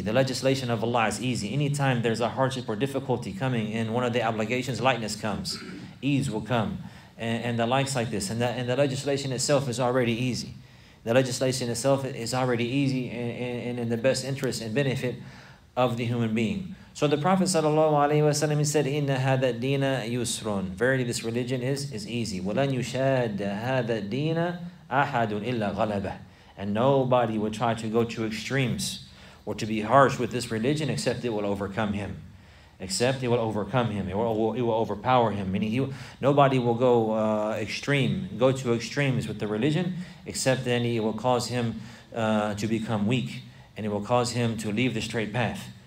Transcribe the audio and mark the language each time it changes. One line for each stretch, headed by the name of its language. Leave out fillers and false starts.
English: The legislation of Allah is easy. Anytime there's a hardship or difficulty coming in one of the obligations, lightness comes, ease will come. And the likes like this. And the legislation itself is already easy. The legislation itself is already easy and in the best interest and benefit of the human being. So the Prophet sallallahu alaihi wasallam said,
Arabic: "Inna hadha dina yusrun."
English: Verily, this religion is easy.
Arabic: وَلَنْ يُشَادَ هَذَا الدِّينَ أَحَدٌ إِلَّا غَلَبَهُ.
English: And nobody would try to go to extremes or to be harsh with this religion, except it will overcome him. Except it will overcome him. It will overpower him. Meaning nobody will go extremes with the religion, except then it will cause him to become weak, and it will cause him to leave the straight path.